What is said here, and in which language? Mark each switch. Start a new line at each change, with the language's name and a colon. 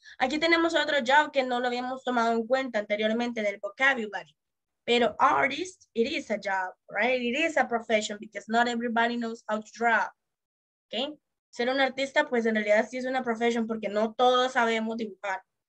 Spanish: Aquí tenemos otro job que no lo habíamos tomado en cuenta anteriormente del vocabulary.
English: Pero artist, it is a job, right? It is a profession because not everybody knows how to draw, okay?
Spanish: Ser un artista, pues en realidad sí es una profesión porque no todos sabemos dibujar.